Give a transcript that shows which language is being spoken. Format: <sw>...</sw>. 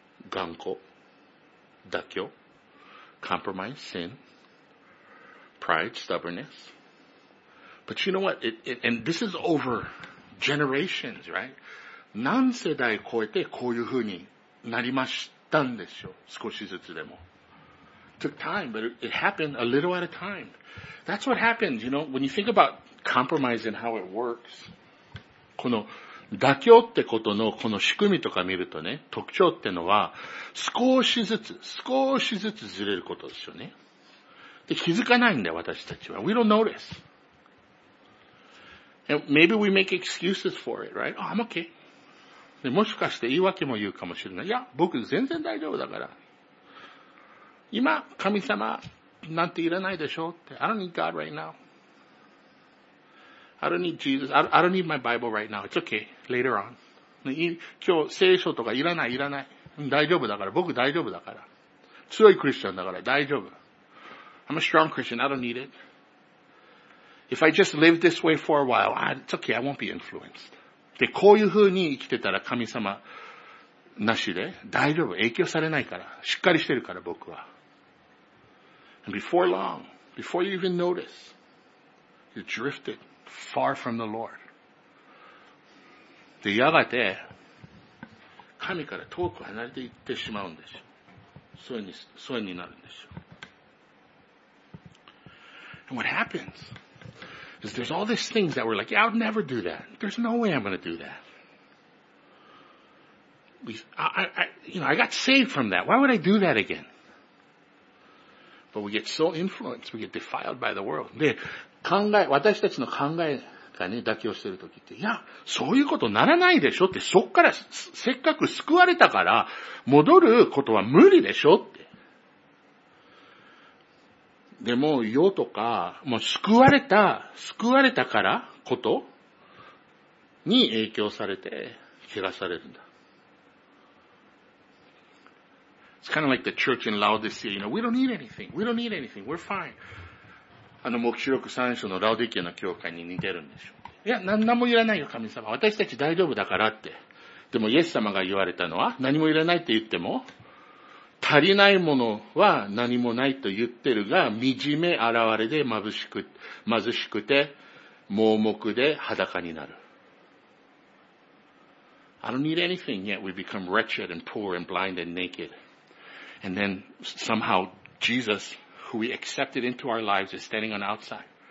<ja>頑固。妥協。</ja> <en>compromise, sin. Pride, stubbornness. But you know what? And this is over generations, right?</en> <ja>何世代超えてこういう風になりました。たんでしょう。少しずつでも。</ja> <en>Took time, but it happened a little at a time. That's what happens, you know, when you think about compromise and how it works.</en> <ja>この妥協ってことのこの仕組みとか見るとね、特徴ってのは少しずつずれることですよね。で、気づかないんだよ、私たちは。</ja> <en>We don't notice. And maybe we make excuses for it, right? Oh, I'm okay.</en> <ja>でもしかして言い訳も言うかもしれない。いや、僕全然大丈夫だから。今、神様なんていらないでしょって。</ja> <en>I don't need God right now. I don't need Jesus. I don't need my Bible right now. It's okay. Later on. 今日、聖書とかいらない。大丈夫だから。僕大丈夫だから。強いクリスチャンだから大丈夫。 I'm a strong Christian. I don't need it. If I just live this way for a while, it's okay. I won't be influenced.</en> <ja>で、こういう風に生きてたら神様なしで大丈夫、影響されないから、しっかりしてるから僕は。</ja> <en>And before long, before you even notice, you drifted far from the Lord.</en> <ja>で、やがて神から遠く離れていってしまうんでしょ。そういうになるんでしょ。</ja> <en>And what happens is there's all these things that we're like, yeah, I'll never do that. There's no way I'm going to do that. I got saved from that. Why would I do that again? But we get so influenced, we get defiled by the world.</en> <ja>で、考え、私たちの考えがね、妥協してるときって、いや、そういうことならないでしょって、そっからせっかく救われたから、戻ることは無理でしょって。でも、世とか、もう救われたからことに影響されて、怪我されるんだ。</ja> <en>It's kind of like the church in Laodicea. You know, we don't need anything. We don't need anything. We're fine.</en> <ja>あの、黙示録三章のラオディケの教会に似てるんでしょう。いや、何もいらないよ、神様。私たち大丈夫だからって。でも、イエス様が言われたのは、何もいらないって言っても、足りないものは何もないと言ってるが、惨め、現れで貧しくて、盲目で裸になる。</ja> <en>I don't need anything yet. We become wretched and poor and blind and naked. And then somehow Jesus, who we accepted into our lives, is standing on the outside.</en>